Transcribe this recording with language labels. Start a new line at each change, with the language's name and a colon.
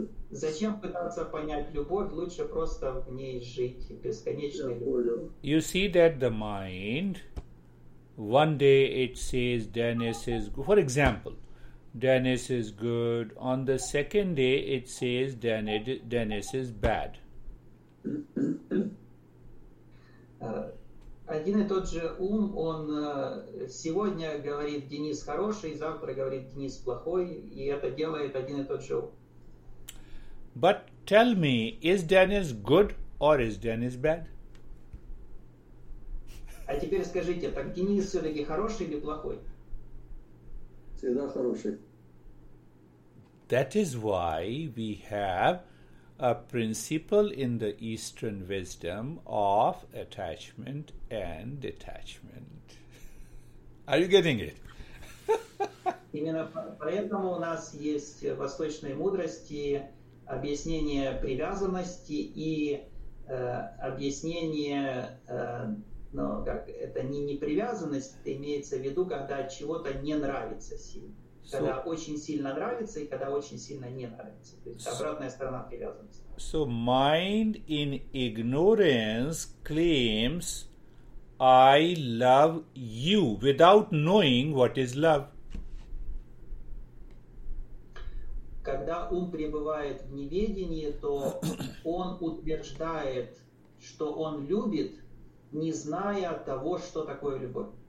Russian: Зачем пытаться понять любовь? Лучше просто в ней жить, бесконечной любовью.
English: You see that the mind, one day it says Dennis is good. For example, Dennis is good. On the second day it says Dennis is bad.
Russian: Один и тот же ум, он сегодня говорит Денис хороший, завтра говорит Денис плохой, и это делает один и тот же ум.
English: But tell me, is Dennis good or is Dennis bad?
Russian: А теперь скажите, так Денис все-таки хороший или плохой? Всегда хороший.
English: That is why we have a principle in the Eastern wisdom of attachment and detachment. Are you getting it?
Russian: Именно поэтому у нас есть в восточной мудрости объяснение привязанности и объяснение, ну, как это не привязанность, это имеется в виду, когда чего-то не нравится сильно. So, когда очень сильно нравится и когда очень сильно не нравится. То есть обратная сторона привязанности.
English: So mind in ignorance claims I love you without knowing what is love.
Russian: Когда ум пребывает в неведении, то он утверждает, что он любит, не зная того, что такое любовь.